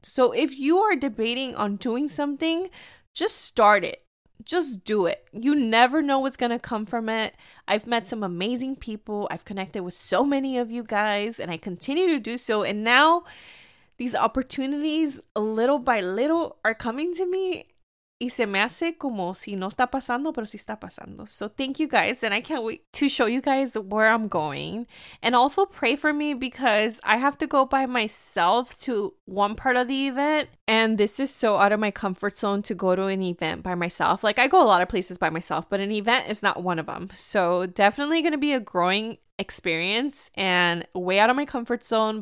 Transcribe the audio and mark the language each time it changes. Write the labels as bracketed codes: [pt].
[en] So if you are debating on doing something, just start it. Just do it. You never know what's going to come from it. I've met some amazing people. I've connected with so many of you guys, and I continue to do so. And now these opportunities, little by little, are coming to me. [es] Y se me hace como si no está pasando, pero si está pasando. [en] So thank you guys. And I can't wait to show you guys where I'm going. And also pray for me, because I have to go by myself to one part of the event. And this is so out of my comfort zone to go to an event by myself. Like, I go a lot of places by myself, but an event is not one of them. So definitely going to be a growing experience and way out of my comfort zone.